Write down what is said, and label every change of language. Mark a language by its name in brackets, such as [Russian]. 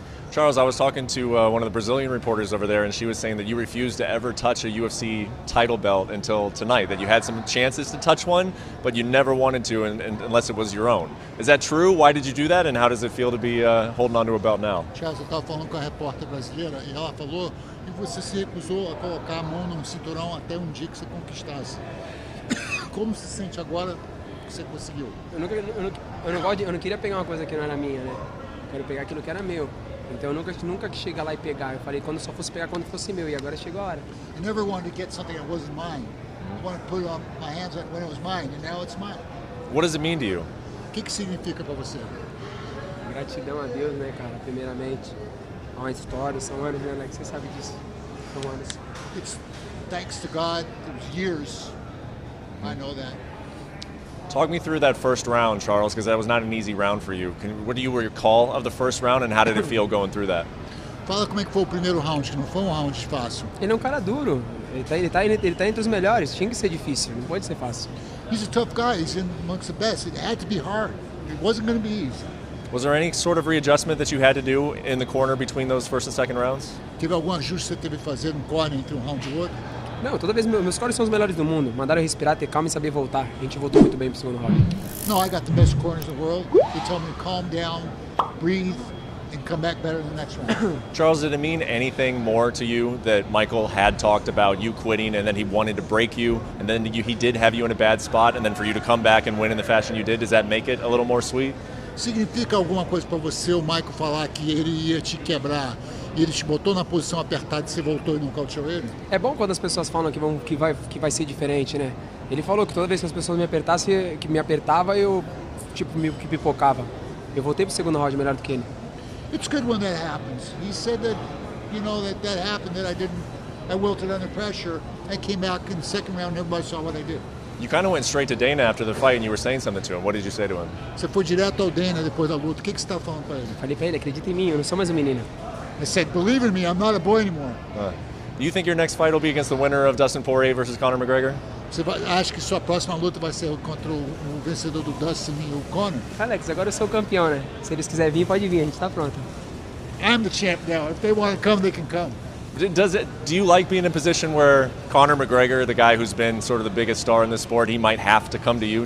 [English] Charles, I was talking to one of the Brazilian reporters over there, and she was saying that you refused to ever touch a UFC title belt until tonight, that you had some chances to touch one, but you never wanted to unless it was your own. Is that true? Why did you do that, and how does it feel to be holding onto a belt now? [Portuguese] Charles, eu estava falando com a repórter brasileira, e ela falou que você se recusou a colocar a mão num cinturão até um dia que você conquistasse. Como se sente agora que você conseguiu? Eu não queria pegar uma coisa que não era minha, né? Quero pegar aquilo que era meu. Então eu nunca quis chegar lá e pegar. Eu falei quando só fosse pegar quando fosse meu. E agora chegou a hora. [English] I never wanted to get something that wasn't mine. I wanted to put it on my hands when it was mine. And now it's mine. What does it mean to you? [Portuguese] O que significa para você? Gratidão a Deus, né, cara? Primeiramente. É uma história. São anos, né, Alex? Você sabe disso. São anos. [English] It's thanks to God. It was years. I know that. Talk me through that first round, Charles, because that was not an easy round for you. What do you recall of the first round, and how did it feel going through that? [Portuguese] Fala como é que foi o primeiro round, que não foi round fácil. Ele é cara duro. Ele tá entre os melhores. Tinha que ser difícil. Não pode ser fácil. [English] He's a tough guy. He's in amongst the best. It had to be hard. It wasn't going to be easy. Was there any sort of readjustment that you had to do in the corner between those first and second rounds? [Portuguese] Teve algum ajuste que você teve que fazer no corner entre round e outro? Não, toda vez meus corners são os melhores do mundo. Mandaram eu respirar, ter calma e saber voltar. A gente voltou muito bem pro segundo round. [English] No, I got the best corners in the world. They told me to calm down, breathe, and come back better than the next round. Charles, did it mean anything more to you that Michael had talked about you quitting and then he wanted to break you and then he did have you in a bad spot and then for you to come back and win in the fashion you did? Does that make it a little more sweet? [Portuguese] Significa alguma coisa para você o Michael falar que ele ia te quebrar? E ele te botou na posição apertada e você voltou e nocauteou ele? É bom quando as pessoas falam que vai ser diferente, né? Ele falou que toda vez que as pessoas me apertava, eu tipo me pipocava. Eu voltei pro segundo round melhor do que ele. [English] It's good when that happens. He said that, you know, that happened, that I wilted under pressure and came back in the second round and everybody saw what I did. You kind of went straight to Dana after the fight and you were saying something to him. What did you say to him? [Portuguese] Você foi direto ao Dana depois da luta. O que você estava falando para ele? Falei para ele, acredita em mim, eu não sou mais um menino. [English] I said, believe in me, I'm not a boy anymore. Do you think your next fight will be against the winner of Dustin Poirier versus Conor McGregor? [Portuguese] Acho que sua próxima luta vai ser contra o vencedor do Dustin e o Conor. Alex, agora eu sou o campeão, né? Se eles quiserem vir, pode vir, a gente está pronto. [English] I'm the champ now. If they want to come, they can come. Do you like being in a position where Conor McGregor, the guy who's been sort of the biggest star in this sport, he might have to come to you?